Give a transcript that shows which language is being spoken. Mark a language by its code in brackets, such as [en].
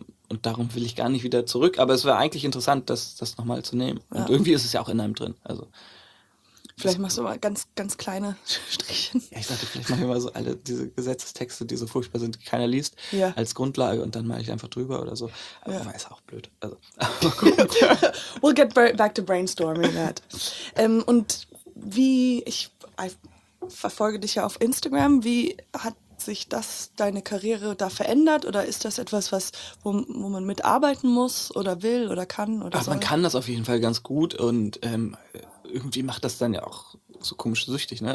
[de] Und darum will ich gar nicht wieder zurück, aber es wäre eigentlich interessant, das nochmal zu nehmen. Ja. Und irgendwie ist es ja auch in einem drin, also. Vielleicht machst du mal ganz, ganz kleine Strichchen. Ja, ich dachte, vielleicht mache ich mal so alle diese Gesetzestexte, die so furchtbar sind, die keiner liest, als Grundlage und dann mache ich einfach drüber oder so. Aber war es auch blöd. Also, [en] we'll get back to brainstorming that. [de] Und wie, ich verfolge dich ja auf Instagram, wie hat sich das, deine Karriere da verändert oder ist das etwas, was wo man mitarbeiten muss oder will oder kann? Oder ach, man kann das auf jeden Fall ganz gut und irgendwie macht das dann ja auch so komisch süchtig, ne?